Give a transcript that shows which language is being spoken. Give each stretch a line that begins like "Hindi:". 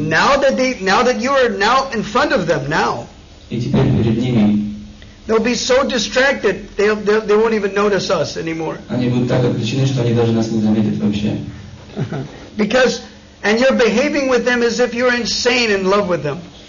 English: Now that you are in front of them now.
Russian: И теперь перед ними.
English: They'll be so distracted they won't even notice us anymore.
Russian: Они будут так отвлечены, что они даже нас не заметят вообще.
English: Because and you're behaving with them as if you're insane in love with them.